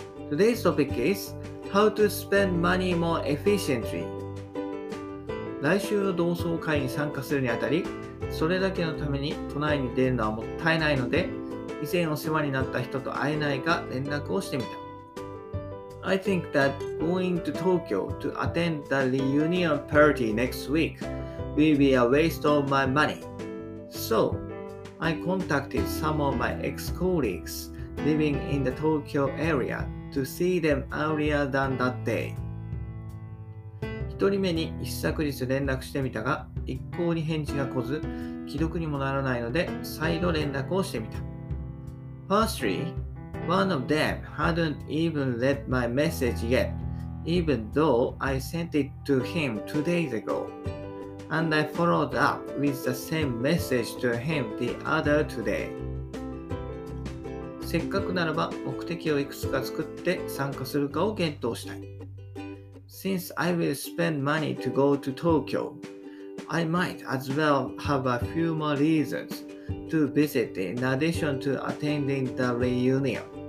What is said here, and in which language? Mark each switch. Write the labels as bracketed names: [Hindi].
[English] Today's topic is How to spend money more efficiently. [Japanese] 来週の同窓会に参加するにあたり、それだけのために都内に出るのはもったいないので、以前お世話になった人と会えないか連絡をしてみた。 [English] I think that going to Tokyo to attend the reunion party next week will be a waste of my money. So, I contacted some of my ex-colleagues living in the Tokyo area to see them earlier than that day. [Japanese] 一人目に一昨日連絡してみたが、一向に返事が来ず、既読にもならないので再度連絡をしてみた。 [English] Firstly,One of them hadn't even read my message yet, even though I sent it to him 2 days ago. And I followed up with the same message to him the other today. [Japanese] せっかくならば目的をいくつか作って参加するかを検討したい。 [English] Since I will spend money to go to Tokyo, I might as well have a few more reasons to visit in addition to attending the reunion.